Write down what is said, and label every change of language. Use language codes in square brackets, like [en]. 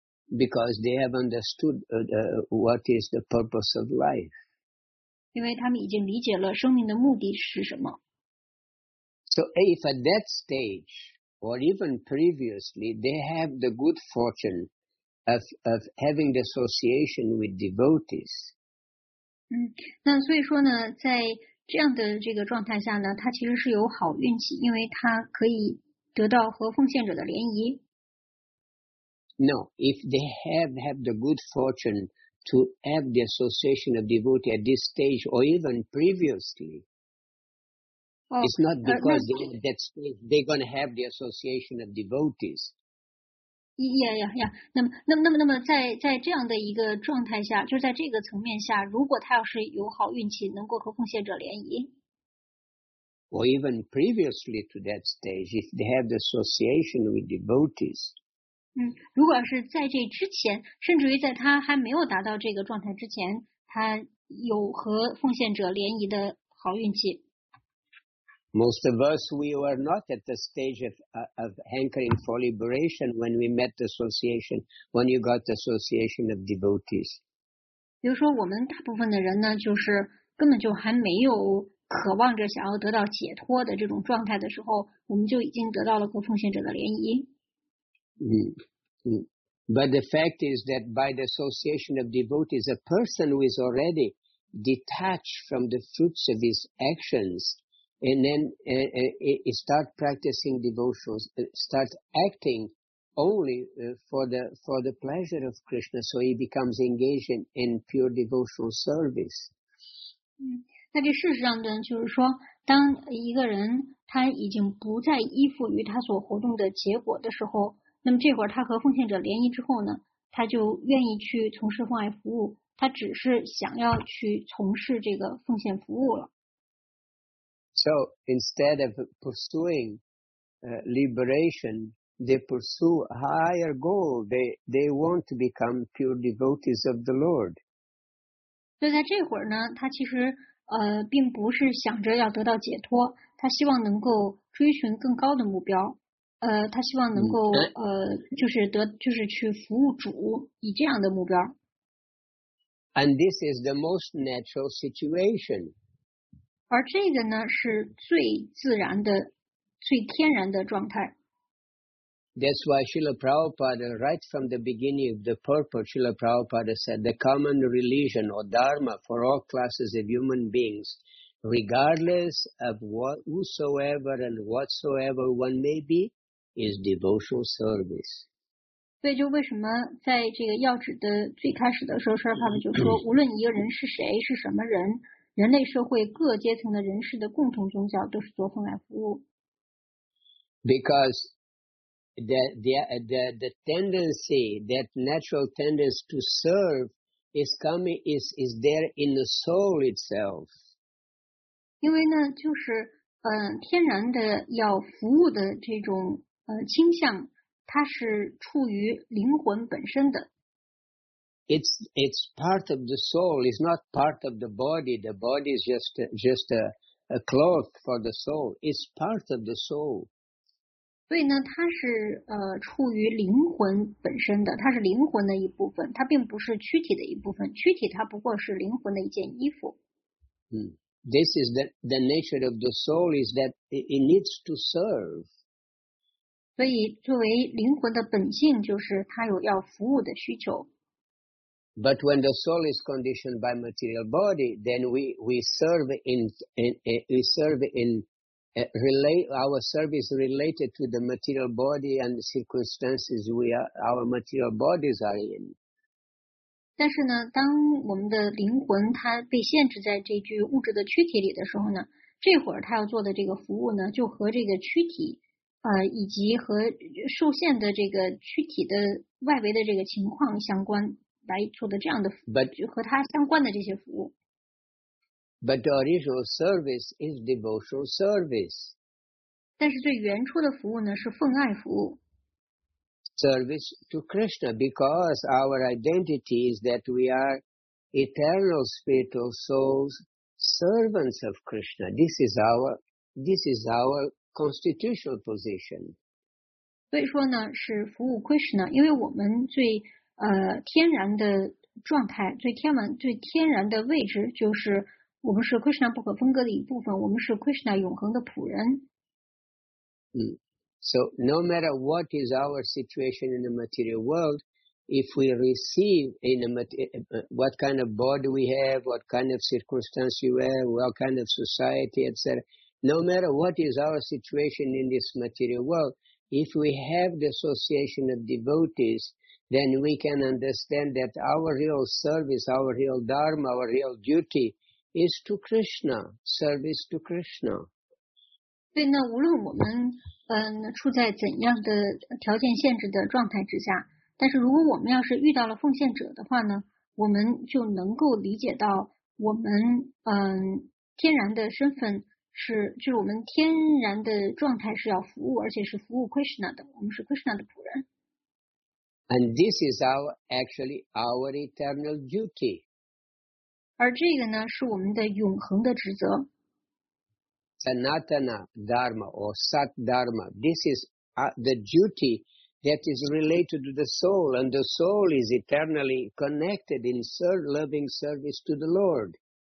[en] Because they have understood what is the purpose of life. [zh] 因为他们已经理解了生命的目的是什么。 [en] So if at that stage, or even previously, they have the good fortune of having the association with devotees. [zh] 那所以说呢，在这样的这个状态下呢，他其实是有好运气，因为他可以得到和奉献者的联谊。 [en] No, if they have the good fortune to have the association of devotees at this stage or even previously, it's not because they're at that stage they're going to have the association of devotees. Yeah. [zh] 那么在这样的一个状态下，就是在这个层面下，如果他要是有好运气，能够和奉献者联谊。 [en] Or even previously to that stage, if they have the association with devotees. [zh] 如果是在这之前，甚至于在他还没有达到这个状态之前，他有和奉献者联谊的好运气。 [en] Most of us, we were not at the stage of hankering for liberation when we met the association, when you got the association of devotees. [zh] 比如说我们大部分的人呢，就是根本就还没有渴望着想要得到解脱的这种状态的时候，我们就已经得到了和奉献者的联谊。 [en] But the fact is that by the association of devotees, a person who is already detached from the fruits of his actions, and then start practicing devotions, start acting only for the pleasure of Krishna, so he becomes engaged in pure devotional service. [zh] 那这事实上呢，就是说，当一个人他已经不再依附于他所活动的结果的时候，那么这会儿他和奉献者联谊之后呢，他就愿意去从事奉爱服务，他只是想要去从事这个奉献服务了。 [en] So instead of pursuing liberation, they pursue a higher goal. They want to become pure devotees of the Lord. [zh] 所以在这会儿呢，他其实并不是想着要得到解脱，他希望能够追寻更高的目标。他希望能够就是去服务主，以这样的目标。 [en] And this is the most natural situation. [zh] 而这个呢，是最自然的、最天然的状态。 [en] That's why Srila Prabhupada, right from the beginning of the purport, Srila Prabhupada said, the common religion or dharma for all classes of human beings, regardless of what, whosoever and whatsoever one may be, is devotional service. [zh] 所以就为什么在这个要旨的最开始的时候，Srila Prabhupada就说，无论一个人是谁，是什么人，人类社会各阶层的人士的共同宗教都是做奉爱服务。 [en] Because the tendency, that natural tendency to serve is coming, is there in the soul itself. [zh] 因为呢，就是天然的要服务的这种倾向，它是处于灵魂本身的。 [en] It's part of the soul. It's not part of the body. The body is just a cloth for the soul. It's part of the soul. [zh] 所以呢，它是处于灵魂本身的，它是灵魂的一部分，它并不是躯体的一部分。躯体它不过是灵魂的一件衣服。 [en] This is the nature of the soul is that it needs to serve. [zh] 所以作为灵魂的本性就是它有要服务的需求。 [en] But when the soul is conditioned by material body, then our service related to the material body and the circumstances our material bodies are in. [zh] 但是呢，当我们的灵魂它被限制在这具物质的躯体里的时候呢，这会儿它要做的这个服务呢，就和这个躯体以及和受限的这个躯体的外围的这个情况相关来做的这样的服务，和它相关的这些服务。 [en] But the original service is devotional service. [zh] 但是最原初的服务呢是奉爱服务。 [en] Service to Krishna, because our identity is that we are eternal spiritual souls, servants of Krishna. This is our constitutional position. [zh] 所以说呢，是服务 Krishna， 因为我们最天然的状态，最天然的位置就是我们是 Krishna 不可分割的一部分，我们是 Krishna 永恒的仆人。 [en] So no matter what is our situation in the material world, if we receive in the what kind of body we have, what kind of circumstance you have, what kind of society, etc., no matter what is our situation in this material world, if we have the association of devotees, then we can understand that our real service, our real dharma, our real duty is to Krishna, service to Krishna. [zh] 对，那无论我们处在怎样的条件限制的状态之下，但是如果我们要是遇到了奉献者的话呢，我们就能够理解到我们天然的身份是，就是我们天然的状态是要服务，而且是服务 Krishna 的，我们是 Krishna 的仆人。 [en] And this is our eternal duty. [zh] 而这个呢，是我们的永恒的职责。 [en] Sanatana Dharma or Sat Dharma. This is the duty that is related to the soul, and the soul is eternally connected in loving service to the Lord.